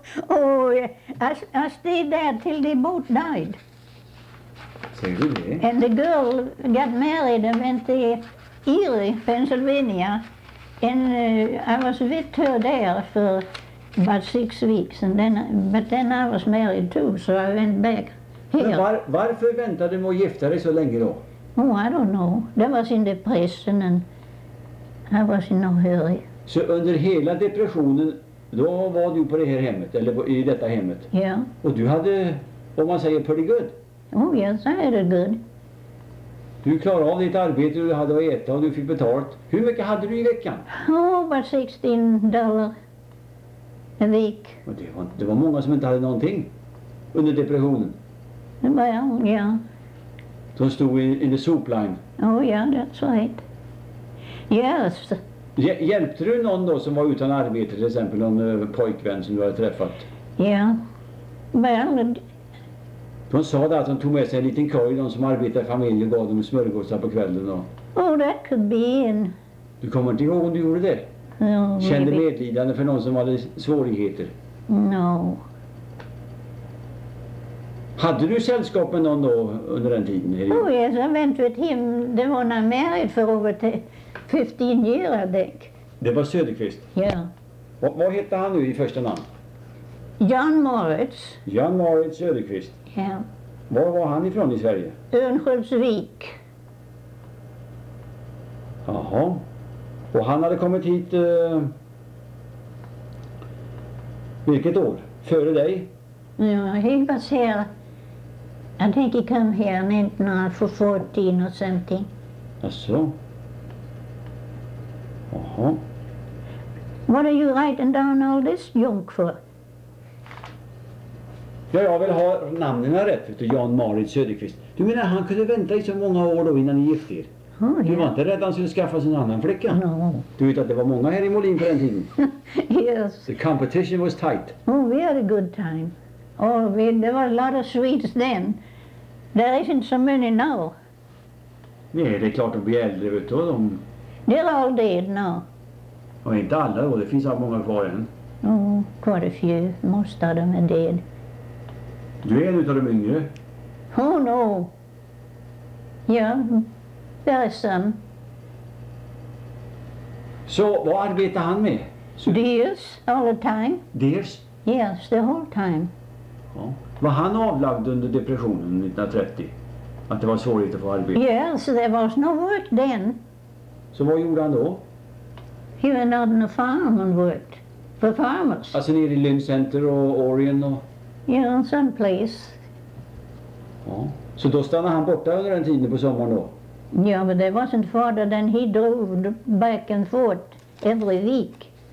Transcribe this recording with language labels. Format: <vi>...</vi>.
<en>Oh, I stayed there till the boat died.</en> <sv>Säger du det?</sv> <en>And the girl got married and went to Erie, Pennsylvania. And I was with her there for about 6 weeks. And then, but then I was married too, so I went back here.</en> <sv>Men varför väntade du med att gifta dig så länge då?</sv> <en>Oh, I don't know. That was in depression and I was in no hurry.</en> <sv>Så under hela depressionen, då var du på det här hemmet, eller i detta hemmet? Ja. Yeah. Och du hade, om man säger,</sv> <en>pretty good? Oh yes, I had it good.</en> <sv>Du klarade av ditt arbete, du hade att äta och du fick betalt. Hur mycket hade du i veckan?</sv> <en>Oh, about $16 a week.</en> <sv>Men det var många som inte hade någonting under depressionen.</sv> <en>Well, ja. Yeah.</en> <sv>De stod</sv> <en>in the soup line. Oh yeah, that's right. Yes.</en> <sv>Hjälpte du någon då som var utan arbete, till exempel någon pojkvän som du hade träffat? Ja, men... De sa det att de tog med sig en liten korg, de som arbetade i familjen och gav dem smörgåsar på kvällen. Och...</sv> <en>Oh, that could be in.</en> <sv>Du kommer inte ihåg om du gjorde det?</sv> <en>No,</en> <sv>kände medlidande för någon som hade svårigheter?</sv> <en>No.</en> <sv>Hade du sällskap med någon då under den tiden?</sv> <en>Oh yes, I went with him. The one I married for over 15 years, I think.</en> <sv>Det var Söderqvist? Ja. Yeah. Vad hette han nu i första namn? Jan Moritz. Jan Moritz Söderqvist? Ja. Yeah. Var var han ifrån i Sverige? Örnsköldsvik. Jaha. Och han hade kommit hit... vilket år? Före dig?</sv> <en>Ja, he was here. I think he came here in 1914 or something.</en> <sv>Asså. Jaha.</sv> <en>What are you writing down all this junk for?</en> <sv>Ja, jag vill ha namnen rätt, vet du, Jan Marit Söderqvist. Du menar han kunde vänta i så många år då innan ni gifte er?</sv> <en>Oh,</en> <sv>du</sv> <en>yeah.</en> <sv>Var inte rädd att han skulle skaffa sig en annan flicka?</sv> <en>No.</en> <sv>Du vet att det var många här i Molin på den tiden?</sv> <en>Yes. The competition was tight. Oh, we had a good time. Oh, there were a lot of Swedes then. There isn't so many now.</en> <sv>Nej, det är klart att de blir äldre, vet du.</sv> <en>They're all dead now.</en> <sv>Och inte alla då, det finns så många kvar än.</sv> <en>Oh, quite a few. Most of them are dead.</en> <sv>Du är en utav de yngre.</sv> <en>Oh, no. Yeah, there is some.</en> <sv>Så, vad arbetar han med?</sv> <en>Deers, all the time. Deers? Yes, the whole time.</en> <sv>Ja. Var han avlagd under depressionen 1930? Att det var svårt att få arbete?</sv> <en>Yes, there was no work then.</en> <sv>Så vad gjorde han då?</sv> <en>He went out on a farm and worked for farmers.</en> <sv>Alltså nere i Lynn Center och Orion och...</sv> <en>Ja, yeah, some place.</en> <sv>Ja. Så då stannade han borta under den tiden på sommaren då?</sv> <en>Ja, yeah, but there wasn't farther than he drove back and forth every week.</en>